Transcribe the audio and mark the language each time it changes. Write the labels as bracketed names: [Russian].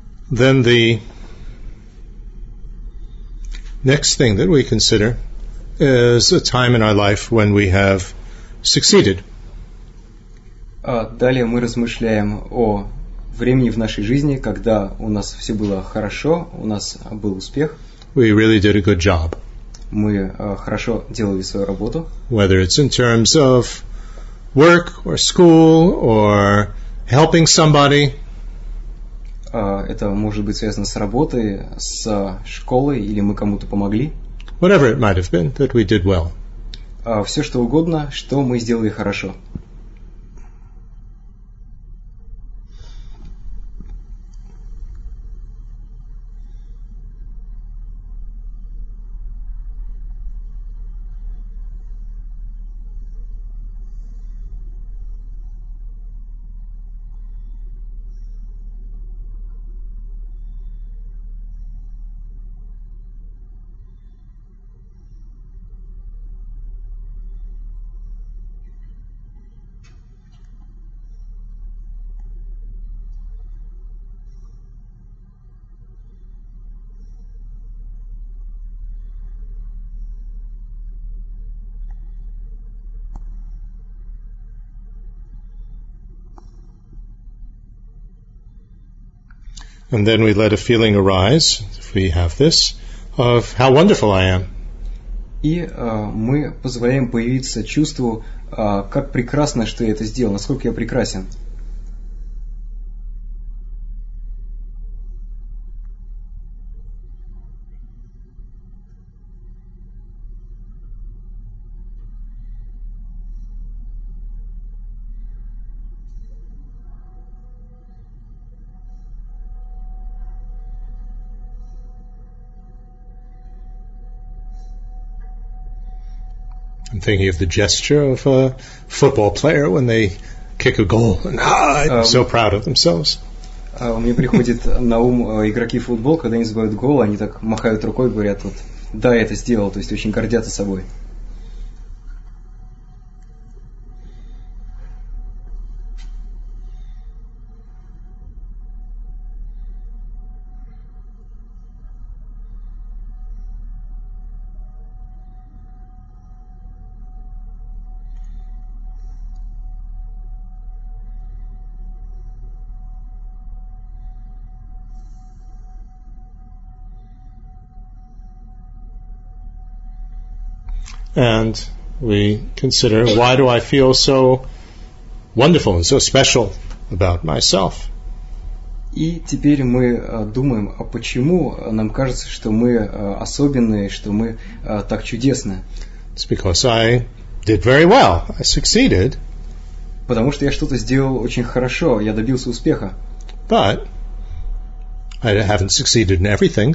[English] Then the next thing that we consider is a time in our life when we have succeeded. [Russian] Далее мы размышляем о времени в нашей жизни, когда у нас все было хорошо, у нас был успех. [English] We really did a good job. [Russian] Мы хорошо делали свою работу. [English] Whether it's in terms of work or school or helping somebody. [Russian] Это может быть связано с работой, с школой, или мы кому-то помогли. [English] Whatever it might have been that we did well. [Russian] Все что угодно, что мы сделали хорошо. [English] And then we let a feeling arise, if we have this, of how wonderful I am. [Russian] И мы позволяем появиться чувству, как прекрасно, что я это сделал, насколько я прекрасен. [English] I'm thinking of the gesture of a football player when they kick a goal. And, so proud of themselves. [Russian] Мне приходит на ум игроки в футбол, когда они забивают гол, они так махают рукой, говорят, вот, да, я это сделал, то есть очень гордятся собой. [English] And we consider, why do I feel so wonderful and so special about myself? [Russian] И теперь мы думаем, а почему нам кажется, что мы особенные, что мы так чудесны? [English] It's because I did very well. I succeeded. [Russian] Потому что я что-то сделал очень хорошо, я добился успеха. [English] But I haven't succeeded in everything.